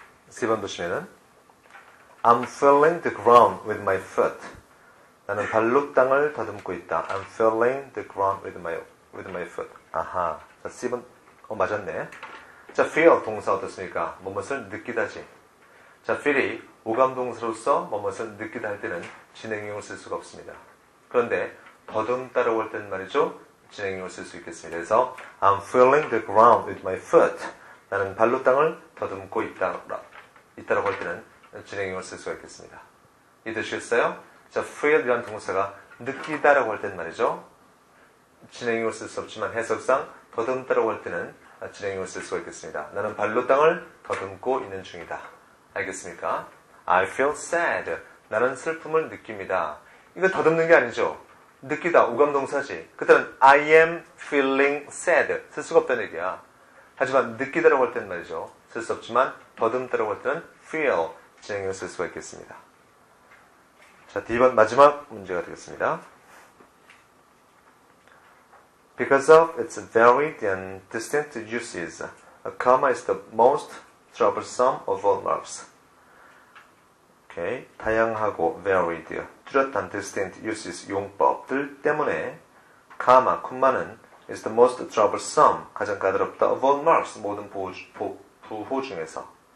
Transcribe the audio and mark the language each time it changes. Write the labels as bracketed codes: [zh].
[ko] 10번 도시면은 [en] I'm feeling the ground with my foot. [ko] 나는 발로 땅을 다듬고 있다. [en] I'm feeling the ground with my foot. [ko] 아하. 자, 7번. 맞았네. 자, feel 동사 어떻습니까? 뭐뭇을 느끼다지. 자, feel이 오감 동사로서 뭐뭇을 느끼다 할 때는 진행형을 쓸 수가 없습니다. 그런데 더듬다라고 할 때는 말이죠. 진행형을 쓸 수 있겠습니다. [en] 그래서 I'm feeling the ground with my foot. [ko] 나는 발로 땅을 더듬고 있다라고 할 때는 진행형을 쓸 수가 있겠습니다. 이해되시겠어요? 자, feel이라는 동사가 느끼다라고 할 때는 말이죠. 진행형을 쓸 수 없지만 해석상 더듬다라고 할 때는 진행형을 쓸 수가 있겠습니다. 나는 발로 땅을 더듬고 있는 중이다. 알겠습니까? [en] I feel sad. [ko] 나는 슬픔을 느낍니다. 이거 더듬는 게 아니죠. 느끼다. 오감 동사지. 그때는 [en] I am feeling sad. [ko] 쓸 수가 없다는 얘기야. 하지만 느끼다라고 할 때는 말이죠. 쓸 수 없지만 더듬다라고 할 때는 feel 진행형을 쓸 수가 있겠습니다. 자, 2번 마지막 문제가 되겠습니다. [en] Because of its varied and distinct uses, a comma is the most troublesome of all marks. Okay. [ko] 다양하고 [en] varied, [ko] 뚜렷한 [en] distinct uses, [ko] 용법들 때문에 [en] comma, [ko] 콤마는 [en] is the most troublesome, [ko] 가장 까다롭다 [en] of all marks, [ko] 모든 부호 중에서.